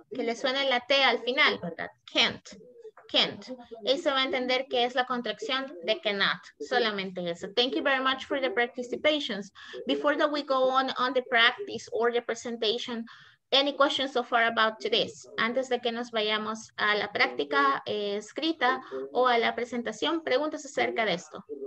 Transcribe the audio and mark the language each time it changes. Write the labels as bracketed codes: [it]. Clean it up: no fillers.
[es] Que le suena la T al final, ¿verdad? Kent. Kent. Eso va a entender que es la contracción de cannot. Solamente eso. [en] Thank you very much for the participations. Before that we go on the practice or the presentation, any questions so far about today's? [es] Antes de que nos vayamos a la práctica escrita o a la presentación, preguntas acerca de esto.